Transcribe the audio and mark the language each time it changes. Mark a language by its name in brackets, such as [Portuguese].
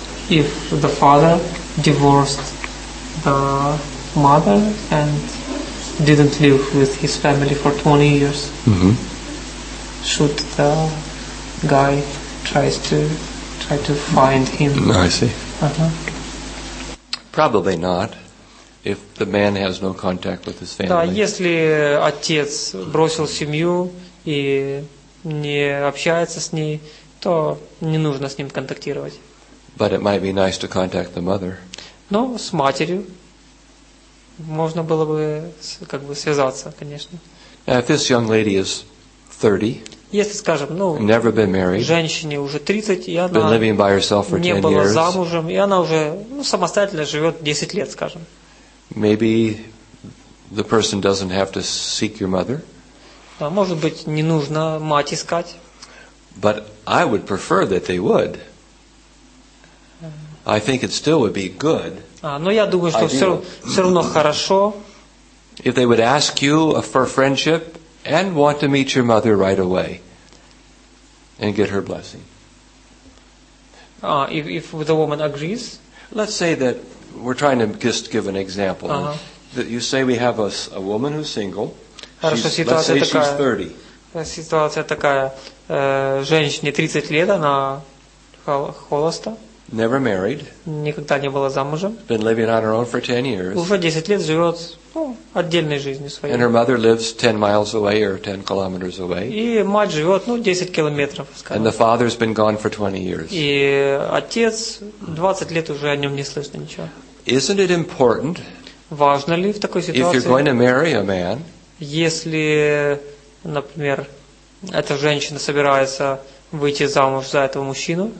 [English] If the father divorced the mother and didn't live with his family for 20 years, mm-hmm. Should the guy try to find him? I see. Uh-huh. Probably not. If the man has no contact with his family. [Russian] Да, если отец бросил семью и не общается с ней, то не нужно с ним контактировать. [English] But it might be nice to contact the mother. [Russian] Но с матерью можно было бы как бы связаться, конечно. [English] Now, if this young lady is 30, [Russian] если, скажем, ну, [English] never been married, [Russian] женщине уже 30, и она [English] been living by herself for 10 years, [Russian] не была замужем, и она уже ну, самостоятельно живет 10 лет, скажем. [English] Maybe the person doesn't have to seek your mother. [Russian] Да, может быть, не нужно мать искать. [English] But I would prefer that they would. I think it still would be good. [Russian] А, но я думаю, что все равно хорошо. [English] If they would ask you for friendship and want to meet your mother right away and get her blessing. If the woman agrees. Let's say that. We're trying to just give an example. Uh-huh. That you say we have a woman who's single. [Russian] Хорошо, ситуация такая. Ситуация такая. Женщине 30 лет, она холоста. [English] Never married. [Russian] Никогда не была замужем. [English] Been living on her own for 10 years. [Russian] Уже 10 лет живет отдельной жизнью своей. [English] And her mother lives 10 miles away or 10 kilometers away. [Russian] И мать живет, ну, 10 километров, скажем. [English] And the father's been gone for 20 years. [Russian] И отец 20 лет уже о нем не слышно ничего. [English] Isn't it important? [Russian] Важно ли в такой ситуации? [English] If you're going to marry a man. [Russian] Если, например, эта женщина собирается выйти замуж за этого мужчину.